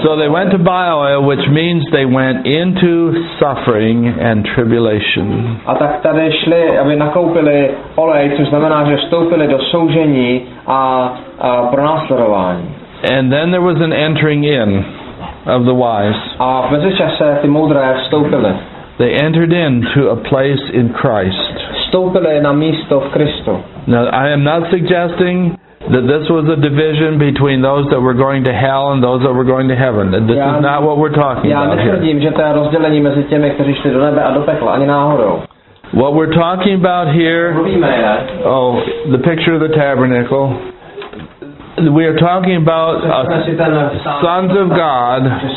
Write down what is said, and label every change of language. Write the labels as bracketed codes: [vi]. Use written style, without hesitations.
[en] So they went to buy oil, which means they went into suffering and tribulation. [cs] A tak tady šli, aby nakoupili olej, což znamená, že vstoupili do soužení a pronásledování. [en] And then there was an entering in of the wise. [cs] A v mezičase ty moudré vstoupili. [en] They entered into a place in Christ. [cs] Vstoupili na místo v Kristu. [en] Now, I am not suggesting that this was a division between those that were going to hell and those that were going to heaven. This is not what we're talking about here. [cs] Já netvrdím, že to je rozdělení mezi těmi, kteří šli do nebe a do pekla, ani náhodou. [en] What we're talking about here, the picture of the tabernacle, we are talking about sons of God.